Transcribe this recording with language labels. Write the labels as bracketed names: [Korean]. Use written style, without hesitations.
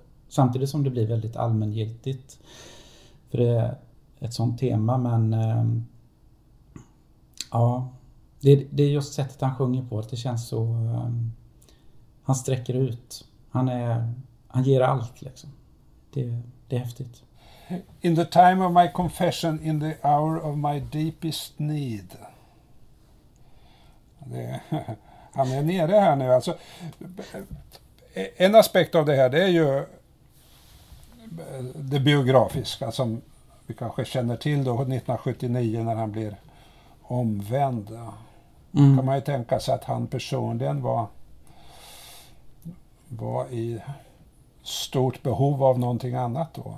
[Swedish] Samtidigt som det blir väldigt allmängiltigt, för det är ett sånt tema, men ja, det är just sättet han sjunger på, att det känns så, han sträcker ut, han ger allt liksom, det är häftigt. [English] In the time of my confession, in the hour of my deepest need. [Swedish] Han är nere här nu. Alltså, en aspekt av det här, det är ju det biografiska som vi kanske känner till då 1979 när han blir omvänd. Då kan man ju tänka sig att han personligen var i stort behov av någonting annat då.